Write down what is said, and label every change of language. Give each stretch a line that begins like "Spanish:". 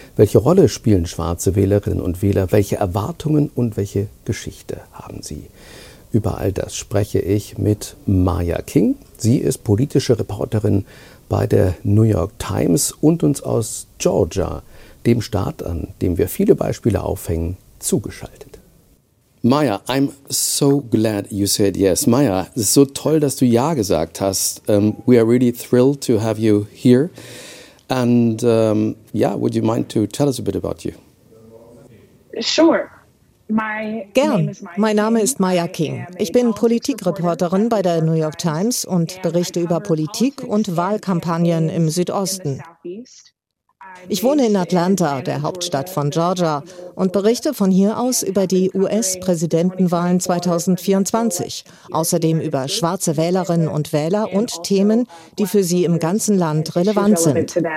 German: Welche Rolle spielen schwarze Wählerinnen und Wähler? Welche Erwartungen und welche Geschichte haben sie? Über all das spreche ich mit Maya King. Sie ist politische Reporterin bei der New York Times und uns aus Georgia, dem Staat, an dem wir viele Beispiele aufhängen, zugeschaltet.
English: Maya, I'm so glad you said yes.
German: Maya, es ist so toll, dass du ja gesagt hast.
English: We are really thrilled to have you here. And would you mind to tell us a bit about you? Sure.
German: Gern. Mein Name ist Maya King. Ich bin Politikreporterin bei der New York Times und berichte über Politik und Wahlkampagnen im Südosten. Ich wohne in Atlanta, der Hauptstadt von Georgia, und berichte von hier aus über die US-Präsidentenwahlen 2024, außerdem über schwarze Wählerinnen und Wähler und Themen, die für sie im ganzen Land relevant sind.